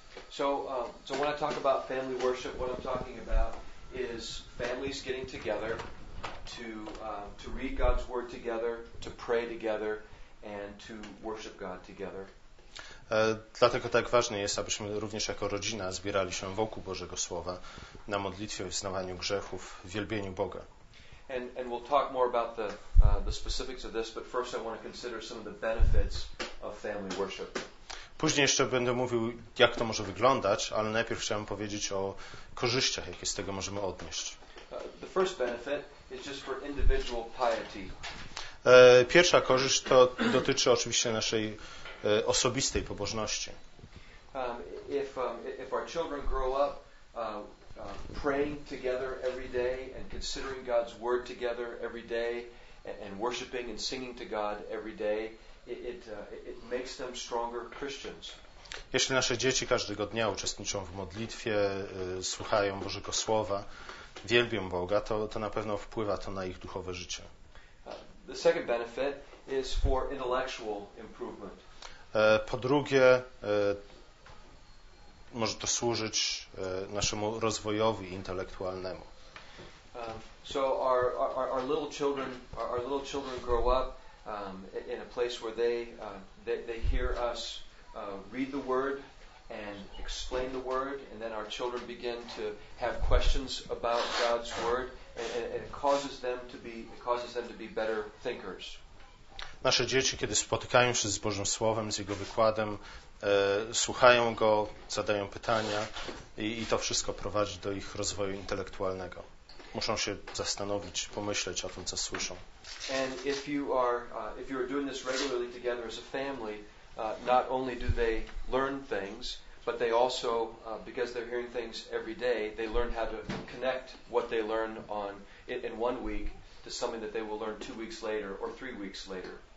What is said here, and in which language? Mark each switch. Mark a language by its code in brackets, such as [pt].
[en] So when I talk about family worship, what I'm talking about is families getting together to read God's word together, to pray together and to worship God together. [pl] Dlatego tak ważne jest, abyśmy również jako rodzina zbierali się wokół Bożego Słowa na modlitwie, wyznawaniu grzechów, wielbieniu Boga. [en] And we'll talk more about the specifics of this, but first I want to consider some of the benefits of family worship. [pl] Później jeszcze będę mówił, jak to może wyglądać, ale najpierw chciałem powiedzieć o korzyściach, jakie z tego możemy odnieść. [en] The first benefit is just for individual piety. [pl] Pierwsza korzyść to dotyczy oczywiście naszej osobistej pobożności. [en] If our children grow up praying together every day and considering God's word together every day and worshiping and singing to God every day, it makes them stronger Christians. [pl] Jeśli nasze dzieci każdego dnia uczestniczą w modlitwie, słuchają Bożego Słowa, wielbią Boga, to na pewno wpływa to na ich duchowe życie. [en] The second benefit is for intellectual improvement. [pl] Po drugie, może to służyć naszemu rozwojowi intelektualnemu. [en] So our little children, our little children grow up in a place where they hear us read the word and explain the word, and then our children begin to have questions about God's word, and it causes them to be better thinkers. [pl] Nasze dzieci, kiedy spotykają się z Bożym Słowem, z Jego wykładem, słuchają Go, zadają pytania i to wszystko prowadzi do ich rozwoju intelektualnego. Muszą się zastanowić, pomyśleć o tym, co słyszą. [en] And if you are doing this regularly together as a family, not only do they learn things, but they also, because they're hearing things every day, they learn how to connect what they learn in one week to something that they will learn 2 weeks later or 3 weeks later.